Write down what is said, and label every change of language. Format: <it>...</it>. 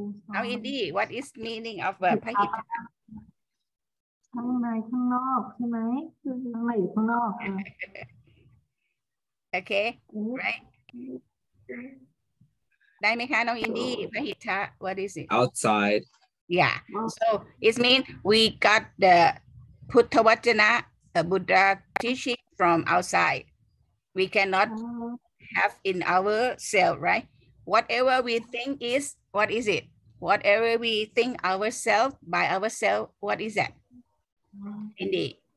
<en>Now, indeed, what is meaning of a Pahitta?</en> <th>ข้างในข้างนอกใช่ไหมข้างในอยู่ข้างนอก โอเคได้ไหมคะน้องอินดี้พหิตะ</th> <en>what is it outside yeah so it mean we got the พุทธวจนะ the Buddha teaching from outside we cannot have in ourselves right whatever we think is what is it whatever we think ourselves by ourselves what is thatIndeed.</en>